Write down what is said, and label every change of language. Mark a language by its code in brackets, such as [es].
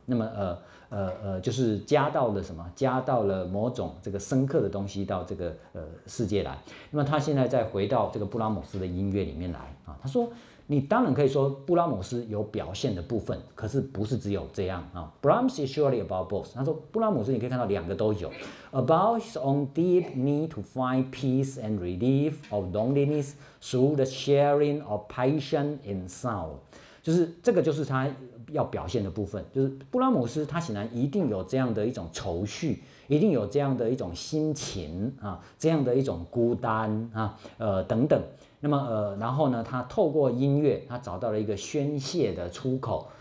[zh] 那么就是加到了什么？加到了某种这个深刻的东西到这个世界来。那么他现在再回到这个布拉姆斯的音乐里面来啊，他说。你当然可以说布拉姆斯有表现的部分，可是不是只有这样啊。 [en] Brahms is surely about both。 [zh] 他说布拉姆斯你可以看到两个都有 [en] ，about his own deep need to find peace and relief of loneliness through the sharing of passion in sound。 [zh] 就是这个就是他要表现的部分，就是布拉姆斯他显然一定有这样的一种愁绪，一定有这样的一种心情啊，这样的一种孤单啊，等等。那么然后呢，他透过音乐，他找到了一个宣泄的出口。